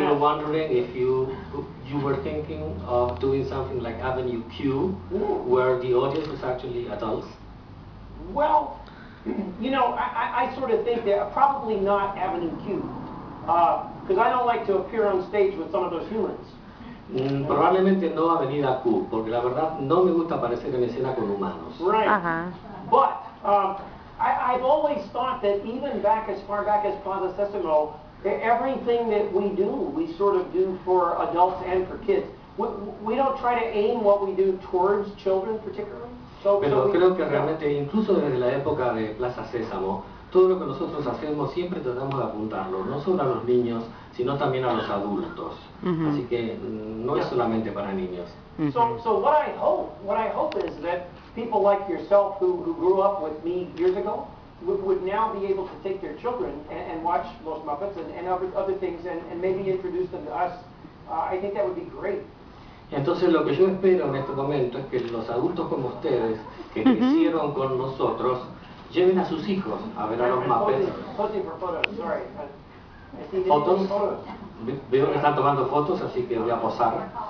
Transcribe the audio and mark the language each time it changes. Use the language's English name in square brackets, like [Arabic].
[English] We were wondering if you were thinking of doing something like Avenue Q, where the audience is actually adults. Well, you know, I sort of think that probably not Avenue Q, because I don't like to appear on stage with some of those humans. [Spanish] Probablemente no Avenida Q, porque la verdad no me gusta aparecer en escena con humanos. [English] Right. Uh-huh. But I've always thought that even back as far back as Plaza Sésamo, everything that we sort of do for adults and for kids. We don't try to aim what we do towards children particularly. [Spanish] Realmente incluso desde la época de Plaza Sésamo, todo lo que nosotros hacemos siempre tratamos de apuntarlo, no solo a los niños, sino también a los adultos. Mm-hmm. Así que no es solamente para niños. Mm-hmm. [English] So what I hope is that people like yourself who grew up with me years ago would now be able to take their children and watch Los Muppets and other things and maybe introduce them to us. I think that would be great. [Spanish] Entonces lo que yo espero en este momento es que los adultos como ustedes, que mm-hmm. crecieron con nosotros, lleven a sus hijos a ver a los Muppets. [English] Posting for photos, sorry. [Spanish] ¿Fotos? Veo que están tomando fotos, así que voy a posar.